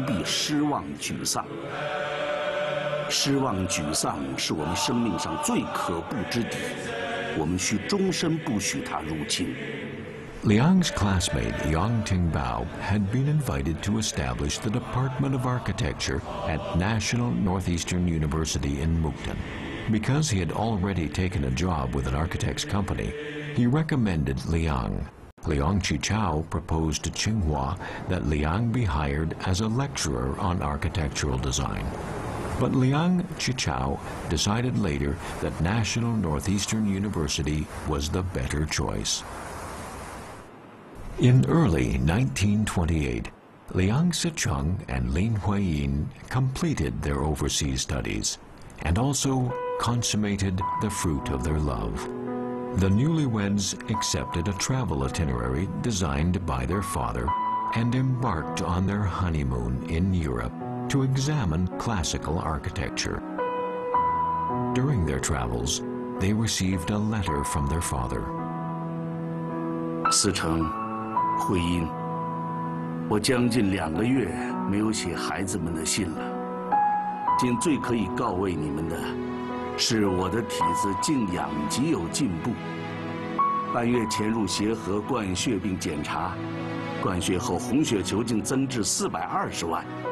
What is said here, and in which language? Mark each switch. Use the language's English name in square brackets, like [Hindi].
[Chinese] 现在蜜月之难，恐非你们意想所及料，所以我一面随时替你们打算，一面愿意你们先有这种觉悟，纵令回国一时未能得相当职业，也不必失望沮丧。失望沮丧是我们生命上最可怖之敌，我们需终身不许它入侵。 [English] Liang's classmate Yang Tingbao had been invited to establish the Department of Architecture at National Northeastern University in Mukden. Because he had already taken a job with an architect's company, he recommended Liang. Liang Qichao proposed to Tsinghua that Liang be hired as a lecturer on architectural design. But Liang Sicheng decided later that National Northeastern University was the better choice. In early 1928, Liang Sicheng and Lin Huiyin completed their overseas studies and also consummated the fruit of their love. The newlyweds accepted a travel itinerary designed by their father and embarked on their honeymoon in Europe to examine classical architecture. During their travels, they received a letter from their father. [Chinese] Sicheng, Huiyin, 我将近两个月没有写孩子们的信了。今最可以告慰你们的是，我的体质竟两极有进步。半月潜入协和灌血并检查，灌血后红血球竟增至420万。